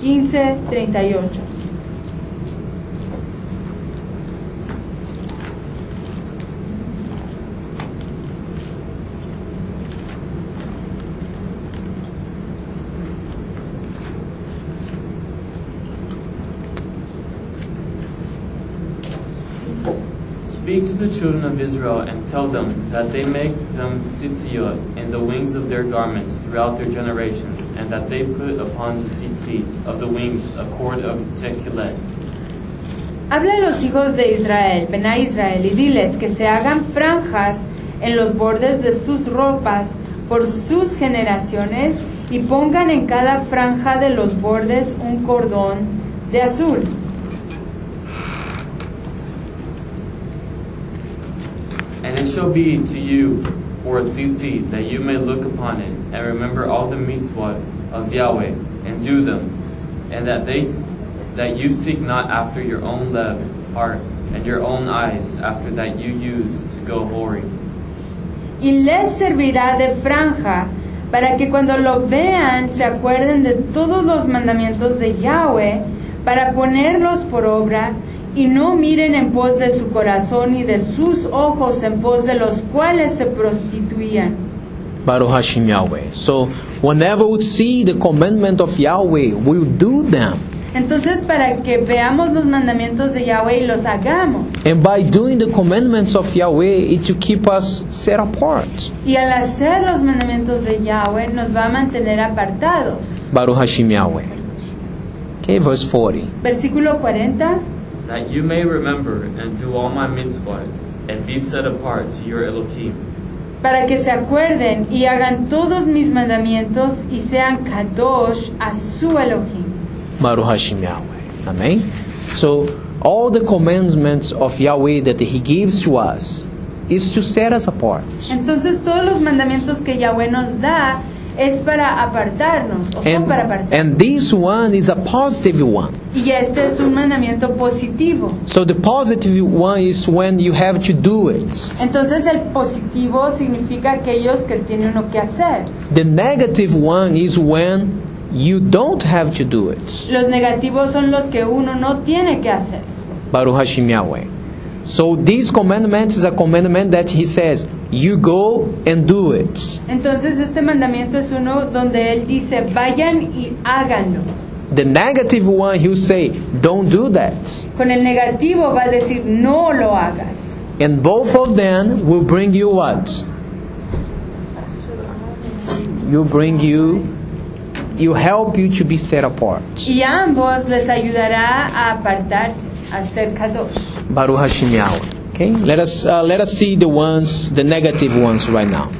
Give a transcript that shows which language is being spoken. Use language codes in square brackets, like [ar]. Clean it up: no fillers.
[en] Speak to the children of Israel and tell them that they make them tzitzit in the wings of their garments throughout their generations, and that they put upon the tzitzit of the wings a cord of tekelet. [es] Habla a los hijos de Israel, ven a Israel, y diles que se hagan franjas en los bordes de sus ropas por sus generaciones, y pongan en cada franja de los bordes un cordón de azul. [en] And it shall be to you for a tzitzit, that you may look upon it, and remember all the mitzvot of Yahweh, and do them, and that you seek not after your own left heart, and your own eyes, after that you use to go whoring. [es] Y les servirá de franja, para que cuando lo vean, se acuerden de todos los mandamientos de Yahweh, para ponerlos por obra, y no miren en pos de su corazón y de sus ojos en pos de los cuales se prostituían. [he] Baruch Hashem Yahweh. [en] So, whenever we see the commandment of Yahweh, we do them. [es] Entonces, para que veamos los mandamientos de Yahweh y los hagamos. [en] And by doing the commandments of Yahweh, it will keep us set apart. [es] Y al hacer los mandamientos de Yahweh, nos va a mantener apartados. [he] Baruch Hashem Yahweh. [en] Okay, verse 40. [es] Versículo 40. [en] That you may remember and do all my mitzvot and be set apart to your Elohim. [es] Para que se acuerden y hagan todos mis mandamientos y sean kadosh a su Elohim. [he] Baruch Hashem Yahweh. Amen. [en] So, all the commandments of Yahweh that He gives to us is to set us apart. [es] Entonces, todos los mandamientos que Yahweh nos da es para apartarnos, para apartarnos. [en] And this one is a positive one. [es] Y este es un mandamiento positivo. [en] So the positive one is when you have to do it. [es] Entonces el positivo significa aquellos que tienen uno que hacer. [en] The negative one is when you don't have to do it. [es] Los negativos son los que uno no tiene que hacer. [he] Baruch Hashem Yahweh. [en] So this commandment is a commandment that He says, you go and do it. [es] Entonces este mandamiento es uno donde Él dice, vayan y háganlo. [en] The negative one, He'll say, don't do that. [es] Con el negativo va a decir, no lo hagas. [en] And both of them will bring you what? You help you to be set apart. [es] Y ambos les ayudará a apartarse. [he] Baruch Hashem Yahweh. [en] Okay, let us see the negative ones right now.